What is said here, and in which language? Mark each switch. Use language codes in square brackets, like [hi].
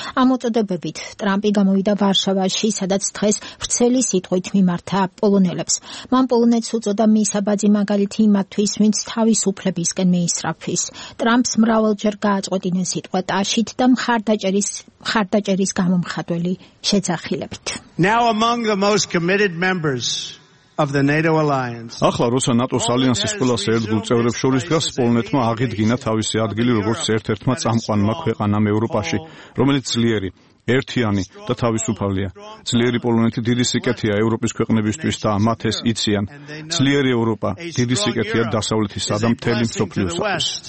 [ka] ამ მოწოდებებით ტრამპი გამოვიდა ვარშავაში, სადაც დღეს ვრცელი სიტყვით მიმართა პოლონელებს. მან პოლონეთს უწოდა მისაბაძი მაგალითი იმათვის, ვინც თავისუფლებისკენ მიისწრაფის. ტრამპს მრავალჯერ გააწყვეტინეს სიტყვა ტაშით და მხარდაჭერის გამომხატველი შეძახილებით. [en] Now among the most committed members of the NATO alliance. [ka] ახლა რუსა ნატოს ალიანსის ყველა ერთგულ წევრებს შორის დგას პოლონეთმა აღიდგინა თავისი ადგილი როგორც ერთ-ერთმა წამყვანმა ქვეყანამ ევროპაში, რომელიც ძლიერი, ერთიანი და თავისუფალია. ძლიერი პოლონეთი დიდი სიკეთეა ევროპის ქვეყნებისთვის და მათ ეს იციან. ძლიერი ევროპა დიდი სიკეთეა დასავლეთის და მთელი მსოფლიოსთვის.